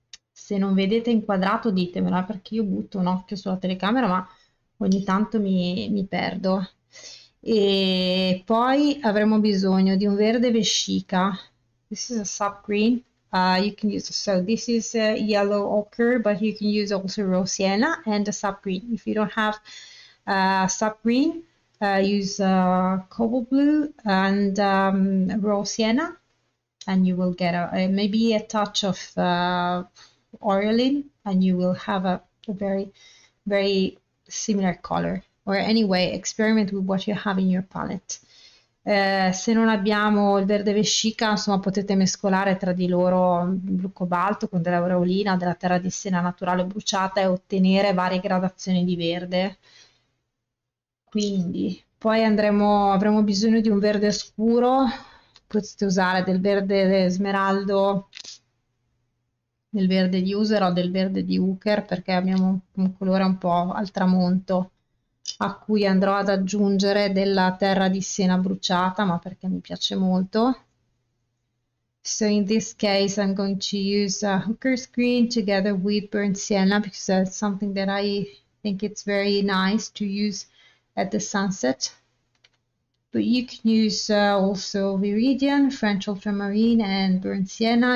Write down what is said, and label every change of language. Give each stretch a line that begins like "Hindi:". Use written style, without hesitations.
Italian: Se non vedete inquadrato, ditemela perché io butto un occhio sulla telecamera, ma ogni tanto mi perdo. E poi avremo bisogno di un verde vescica.
English: This is a sap green. You can use, so this is a yellow ochre, but you can use also rose sienna and a sap green. If you don't have sap green, use cobalt blue and rose sienna, and you will get maybe a touch of oriolin, and you will have a very, very similar color. Or anyway, experiment with what you have in your palette.
Italian: Se non abbiamo il verde vescica, insomma, potete mescolare tra di loro blu cobalto con dell'aureolina, della terra di Siena naturale bruciata e ottenere varie gradazioni di verde. Quindi, poi avremo bisogno di un verde scuro, potete usare del verde smeraldo, del verde di Usero o del verde di Uker perché abbiamo un colore un po' al tramonto. A cui andrò ad aggiungere della terra di Siena bruciata, ma perché mi piace molto.
English: So in this case I'm going to use a Hooker's Green together with burnt sienna because that's something that I think it's very nice to use at the sunset. But you can use also Viridian, French ultramarine and burnt sienna.